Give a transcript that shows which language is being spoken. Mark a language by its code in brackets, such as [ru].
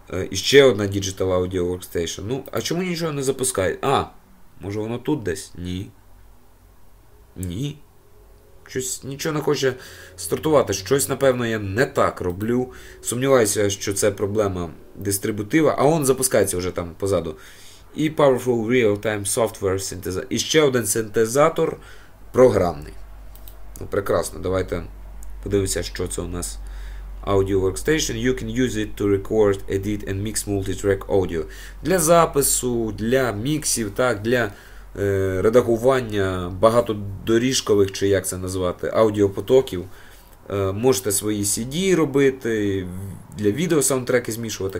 [uk] І ще одна Digital Audio Workstation. Ну, а чому нічого не запускає? А, може воно тут десь? Ні. Ні. Щось нічого не хоче стартувати. Щось, напевно, я не так роблю. Сумніваюся, що це проблема дистрибутива. А он запускається вже там позаду. І [en] Powerful Real-Time Software [uk] синтезатор. І ще один синтезатор програмний. Ну, прекрасно. Давайте подивимося, що це у нас. [en] Audio Workstation. You can use it to record, edit and mix multi-track audio. [uk] Для запису, для міксів, так, для редагування багатодоріжкових, чи як це назвати, аудіопотоків. Можете свої CD робити, для відео саундтреки змішувати.